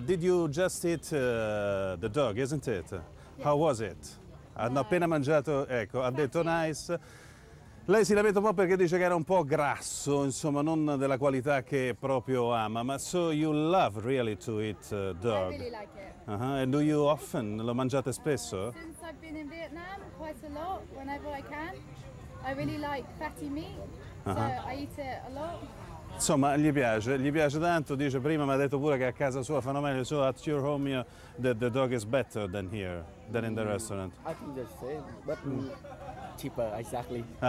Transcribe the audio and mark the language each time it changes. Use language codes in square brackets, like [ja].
[en] Did you just eat the dog, isn't it? Yeah. How was it? [it] Hanno appena mangiato, ecco, ha detto nice. Lei si lamenta un po' perché dice che era un po' grasso, insomma, non della qualità che proprio ama. [en] Ma so you love really to eat dog? I really like it. Uh-huh. And do you often? [it] Lo mangiate spesso? [en] Since I've been in Vietnam, quite a lot, whenever I can. I really like fatty meat, so I eat it a lot. [it] Insomma, gli piace tanto. Dice prima, mi ha detto pure che a casa sua fanno meglio. [en] So at your home, the dog is better than here, than in the restaurant. I think the same, but cheaper, exactly.